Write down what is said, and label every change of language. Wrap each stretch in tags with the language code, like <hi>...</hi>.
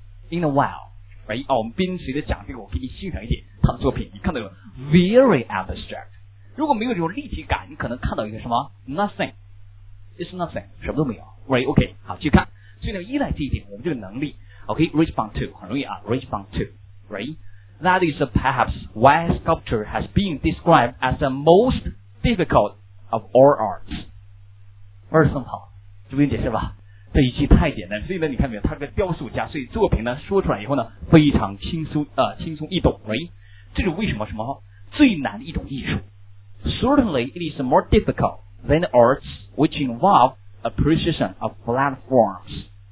<en>In a while, right?</en> <zh>哦，我们边随着讲这个，我给你欣赏一点他的作品。你看到有</zh> <en>very abstract.</en> <zh>如果没有这种立体感，你可能看到一个什么</zh> <en>nothing. It's nothing.</en> <zh>什么都没有。</zh> <en>Right? Okay.</en> <zh>好，继续看。所以呢，依赖这一点，我们这个能力。</zh> <en>Okay, respond to</en> <zh>很容易啊</zh> <en>，respond to. Right? That is perhaps why sculpture has been described as the most difficult of all arts.</en> <zh>二十分好，这不用解释吧？这一期太简单，所以呢，你看没有，他是个雕塑家，所以作品呢说出来以后呢，非常轻松啊、轻松易懂。喂，这是为什么？什么最难的一种艺术</zh> <en>？Certainly, it is more difficult than arts which involve appreciation of flat forms.</en>